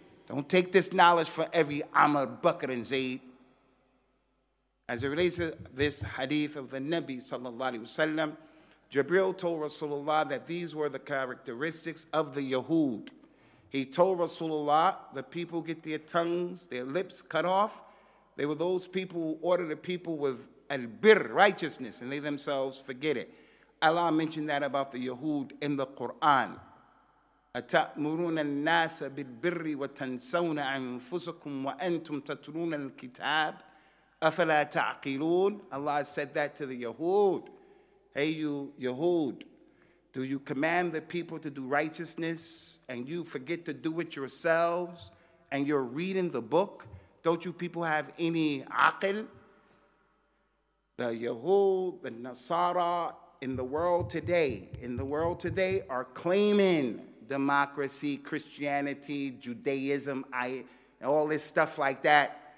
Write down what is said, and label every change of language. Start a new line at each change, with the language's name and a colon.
English: Don't take this knowledge for every Amr, Bakr, and Zayd. As it relates to this hadith of the Nabi sallallahu alayhi wasallam, Jibril told Rasulullah that these were the characteristics of the Yahud. He told Rasulullah, the people get their tongues, their lips cut off. They were those people who ordered the people with al-birr, righteousness, and they themselves forget it. Allah mentioned that about the Yahud in the Quran.
Arabic: أَتَأْمُرُونَ النَّاسَ بِالْبِرِّ وَتَنْسَوْنَ أَنفُسَكُمْ وَأَنْتُمْ تَتْرُونَ الْكِتَابِ أَفَلَا تَعْقِلُونَ
English: Allah said that to the Yahud. Hey, you Yahud, do you command the people to do righteousness and you forget to do it yourselves and you're reading the book? Don't you people have any aqil? The Yahud, the Nasara in the world today are claiming democracy, Christianity, Judaism, all this stuff like that.